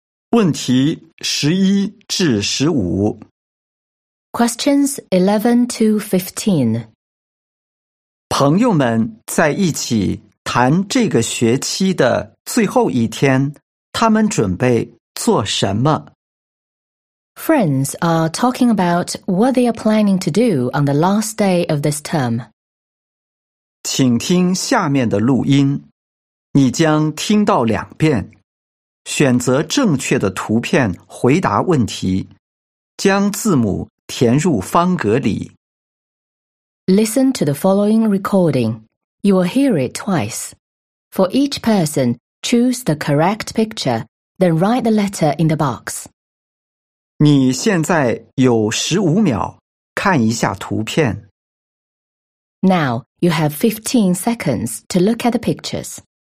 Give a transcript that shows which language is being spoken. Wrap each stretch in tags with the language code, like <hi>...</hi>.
<zh>问题十一至十五。</zh> <en>Questions 11 to 15.</en> <zh>朋友们在一起谈这个学期的最后一天，他们准备做什么？</zh> <en>Friends are talking about what they are planning to do on the last day of this term.</en> <zh>请听下面的录音，你将听到两遍。选择正确的图片回答问题，将字母填入方格里。</zh> <en>Listen to the following recording. You will hear it twice. For each person, choose the correct picture, then write the letter in the box.</en> <zh>你现在有15秒，看一下图片。</zh> <en>Now, you have 15 seconds to look at the pictures.</en>